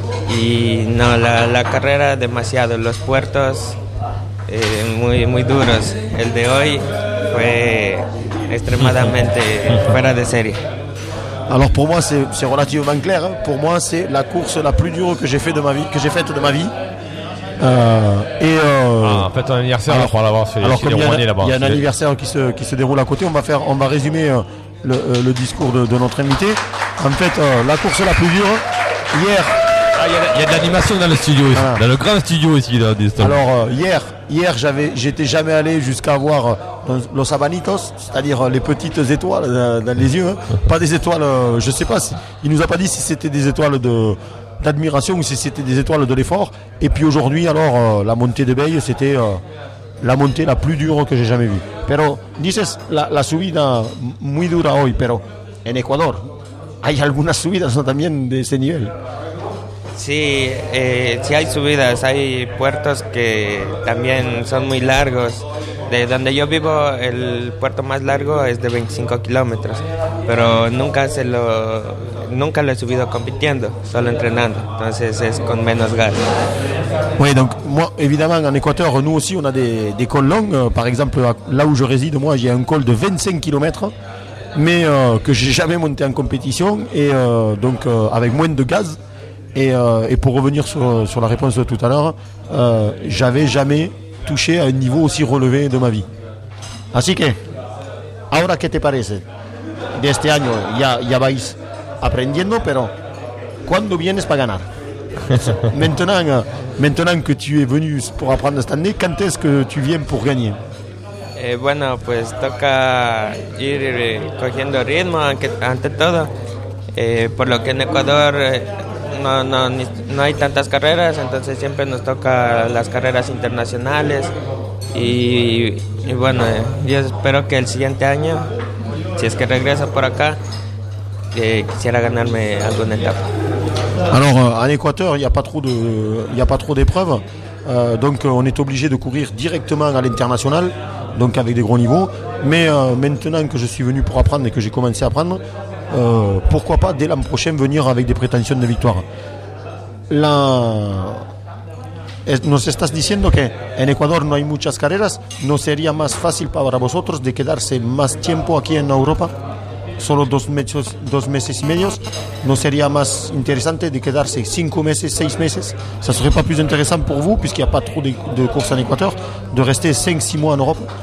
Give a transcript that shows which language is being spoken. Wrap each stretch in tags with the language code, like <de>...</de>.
<es>Y no, la carrera demasiado. Los puertos muy, muy duros. El de hoy fue</es> <fr>extrêmement</fr> <es>fuera de série.</es> <fr>Alors pour moi c'est relativement clair, hein. Pour moi c'est la course la plus dure que j'ai faite de ma vie. Un anniversaire alors, pour l'avoir fait. Alors il y a un anniversaire qui se déroule à côté. On va résumer le discours de notre invité. En fait la course la plus dure hier. Il y a de l'animation dans le studio ici, dans le grand studio ici. Là, alors hier j'étais jamais allé jusqu'à voir</fr> <es>Los Abanitos,</es> <fr>c'est-à-dire les petites étoiles dans les yeux. Pas des étoiles, je sais pas, il nous a pas dit si c'était des étoiles d'admiration ou si c'était des étoiles de l'effort. Et puis aujourd'hui, alors, la montée de Bay, c'était la montée la plus dure que j'ai jamais vue.</fr> <es>Pero dices la subida muy dura hoy, pero en Ecuador, ¿hay algunas subidas también de ese nivel? Sí, sí hay subidas, hay puertos que también son muy largos. De donde yo vivo, el puerto más largo es de 25 kilómetros, pero nunca lo he subido compitiendo, solo entrenando. Entonces es con menos gas.</es> <fr>Oui, donc moi, évidemment, en Équateur, nous aussi, on a des cols longs. Par exemple, là où je réside, moi, j'ai un col de 25 kilomètres, mais que j'ai jamais monté en compétition, et donc avec moins de gaz. Et pour revenir sur la réponse de tout à l'heure, j'avais jamais touché à un niveau aussi relevé de ma vie.</fr> <es>Así que, ahora que te parece de este año, ya vais aprendiendo, pero ¿cuándo vienes para ganar?</es> <fr>Maintenant que tu es venu pour apprendre cette année, quand est-ce que tu viens pour gagner?</fr> <es>Bueno, pues toca ir cogiendo ritmo ante todo. Por lo que en Ecuador no hay tantas carreras, entonces siempre nos toca las carreras internacionales. Y bueno, yo espero que el siguiente año, si es que regreso por acá, quisiera ganarme alguna etapa.</es> <fr>Alors en Équateur, il n'y a pas trop d'épreuves, donc on est obligé de courir directement à l'international, donc avec des gros niveaux. Mais maintenant que je suis venu pour apprendre et que j'ai commencé à apprendre, pourquoi pas dès l'an prochain venir avec des prétentions de victoire.</fr> <es>Nos estás diciendo que en Ecuador no hay muchas carreras, ¿no sería más fácil para vosotros de quedarse más tiempo aquí en Europa? Solo dos meses y medio, ¿no sería más interesante de quedarse 5 meses, 6 meses?</es> <fr>¿Ça serait pas plus intéressant pour vous, puisqu'il n'y a pas trop de courses en Ecuador, de rester 5-6 mois en Europe?</fr>